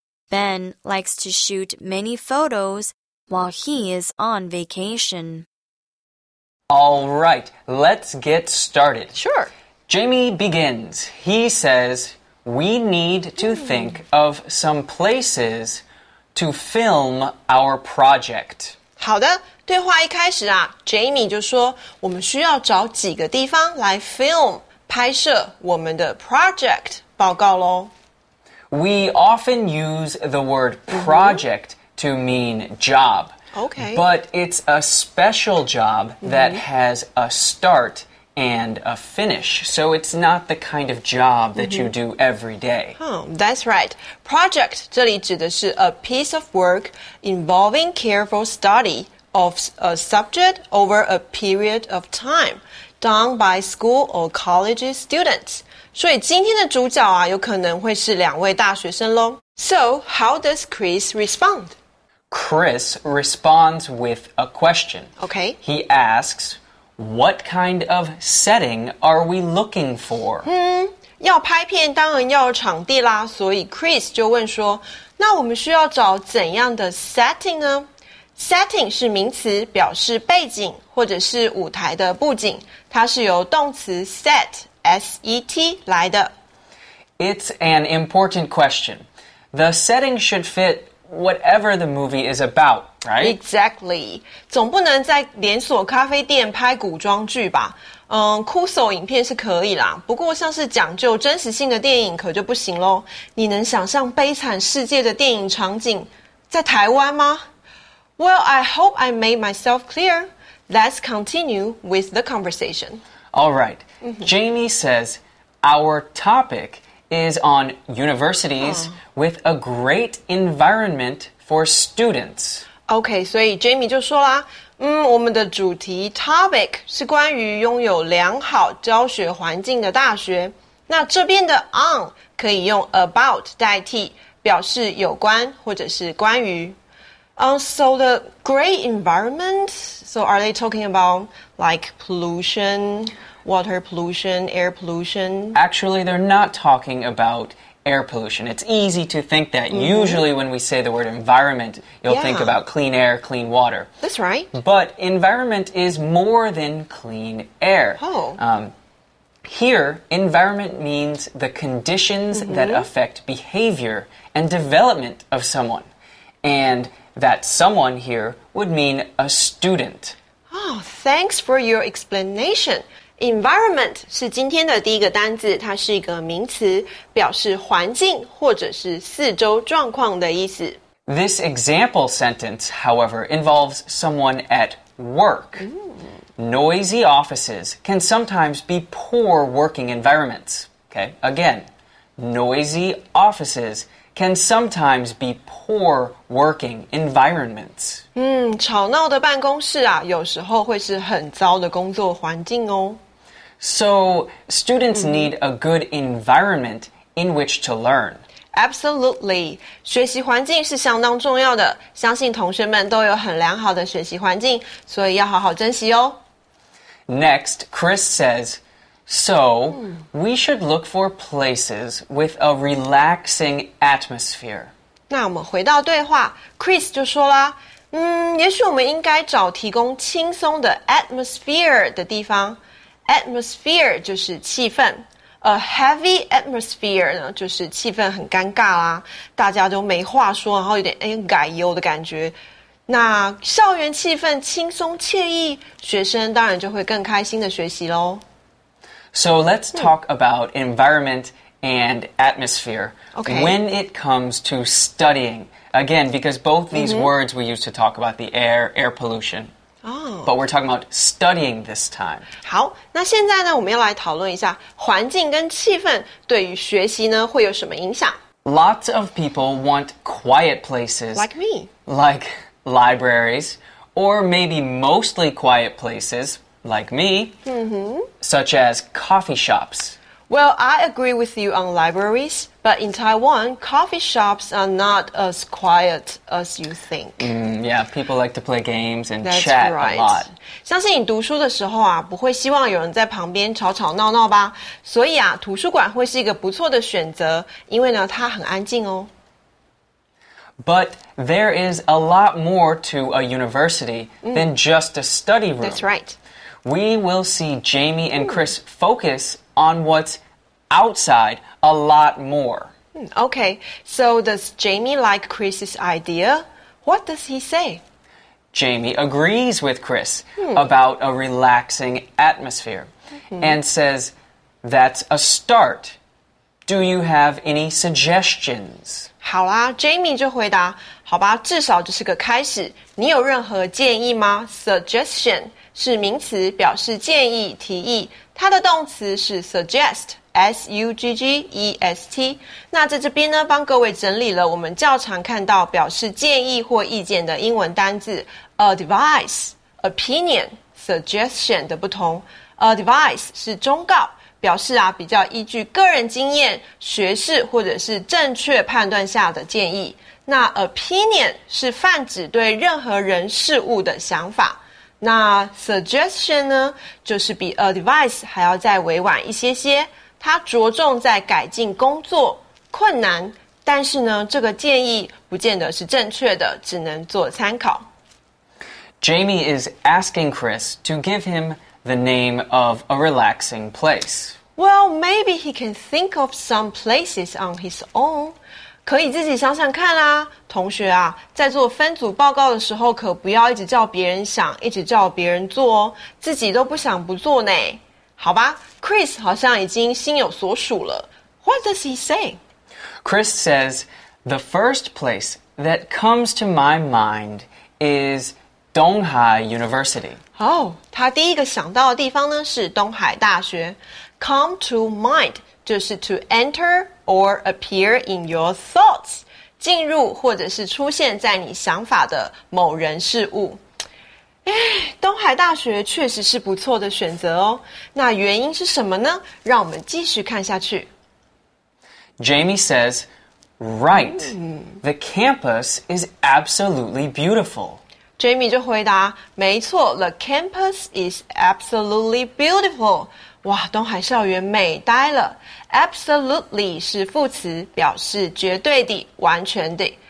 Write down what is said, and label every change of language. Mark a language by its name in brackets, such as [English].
[English] Ben likes to shoot many photos while he is on vacation. All right, let's get started. Sure. Jamie begins. He says... We need to think of some places to film our project. [Chinese] 好的，对话一开始啊 ，Jamie 就说我们需要找几个地方来 film 拍摄我们的 project 报告咯。 [English] We often use the word project to mean job. Okay. But it's a special job that has a start. And a finish, so it's not the kind of job that you do every day. Oh, that's right. Project [Chinese] 这里指的是 [English] a piece of work involving careful study of a subject over a period of time done by school or college students. [Chinese] 所以今天的主角啊，有可能会是两位大学生咯。 [English] So, how does Chris respond? Chris responds with a question. Okay. He asks... What kind of setting are we looking for? [Chinese] 要拍片当然要有场地啦，所以 Chris 就问说，那我们需要找怎样的 setting 呢？ Setting 是名词，表示背景或者是舞台的布景，它是由动词 set, S-E-T 来的。 [English] It's an important question. The setting should fit whatever the movie is about. Right? Exactly. [Chinese] 总不能在连锁咖啡店拍古装剧吧？酷搜影片是可以啦，不过像是讲究真实性的电影可就不行咯。你能想象悲惨世界的电影场景在台湾吗？ [English] Well, I hope I made myself clear. Let's continue with the conversation. All right. Jamie says, our topic is on universities with a great environment for students. [Chinese] Okay, 所以 Jamie 就说啦，我们的主题 topic 是关于拥有良好教学环境的大学。那这边的 on 可以用 about 代替，表示有关或者是关于。 [English] So the great environment, so are they talking about like pollution, water pollution, air pollution? Actually, they're not talking about air pollution. It's easy to think that. Mm-hmm. Usually when we say the word environment, you'll think about clean air, clean water. That's right. But environment is more than clean air. Here, environment means the conditions that affect behavior and development of someone. And that someone here would mean a student. Oh, thanks for your explanation. [Chinese] Environment 是今天的第一个单字，它是一个名词，表示环境或者是四周状况的意思。 [English] This example sentence, however, involves someone at work. Noisy offices can sometimes be poor working environments. Okay, again, noisy offices can sometimes be poor working environments. [Chinese] 吵闹的办公室啊，有时候会是很糟的工作环境哦。 [English] So, students need a good environment in which to learn. Absolutely. [Chinese] 学习环境是相当重要的，相信同学们都有很良好的学习环境，所以要好好珍惜哦。 [English] Next, Chris says, so, we should look for places with a relaxing atmosphere. [Chinese] 那我们回到对话， Chris 就说啦，也许我们应该找提供轻松的 atmosphere 的地方。 Atmosphere 就是气氛， [English] a heavy atmosphere [Chinese] 呢就是气氛很尴尬啦，大家都没话说，然后有点改忧的感觉。那校园气氛轻松惬意，学生当然就会更开心的学习咯。 [English] So let's talk about environment and atmosphere. Okay. When it comes to studying, again, because both these words we use to talk about the air pollution. But we're talking about studying this time. [Chinese] 好，那现在呢，我们要来讨论一下环境跟气氛对于学习呢会有什么影响。 [English] Lots of people want quiet places. Like me. Like libraries, or maybe mostly quiet places, like me, such as coffee shops. Well, I agree with you on libraries, but in Taiwan, coffee shops are not as quiet as you think. Yeah, people like to play games and chat a lot. [Chinese] 相信你读书的时候啊，不会希望有人在旁边吵吵闹闹吧？所以啊，图书馆会是一个不错的选择，因为呢，它很安静哦。 [English] But there is a lot more to a university than just a study room. That's right. We will see Jamie and Chris focus on what's outside a lot more. Okay, so does Jamie like Chris's idea? What does he say? Jamie agrees with Chris about a relaxing atmosphere and says, that's a start. Do you have any suggestions? [Chinese] 好啦 ,Jamie 就回答，好吧，至少就是个开始。你有任何建议吗？ Suggestion 是名词，表示建议、提议。它的动词是 suggest, S-U-G-G-E-S-T。那在这边呢，帮各位整理了我们较常看到表示建议或意见的英文单字 advice, opinion, suggestion 的不同。 advice 是忠告，表示啊比较依据个人经验、学识或者是正确判断下的建议。那 opinion 是泛指对任何人事物的想法。那 suggestion 呢，就是比 advice 还要再委婉一些些，它着重在改进工作困难，但是呢，这个建议不见得是正确的，只能做参考。 [English] Jamie is asking Chris to give him the name of a relaxing place. Well, maybe he can think of some places on his own. [Chinese] 可以自己想想看啦、同学啊，在做分组报告的时候可不要一直叫别人想，一直叫别人做哦，自己都不想不做呢。好吧， Chris 好像已经心有所属了。 [English] What does he say? Chris says, the first place that comes to my mind is Donghai University. [Chinese] Oh, 他第一个想到的地方呢是东海大学。 [English] Come to mind [Chinese] 就是 [English] to enter or appear in your thoughts. [Chinese] 进入或者是出现在你想法的某人事物。东海大学确实是不错的选择哦。那原因是什么呢？让我们继续看下去。 [English] Jamie says, right, the campus is absolutely beautiful. Jamie [Chinese] 就回答，没错 [English] ,the campus is absolutely beautiful. [Chinese] 哇，东海校园美呆了。 Absolutely 是副词，表示绝对的，完全的。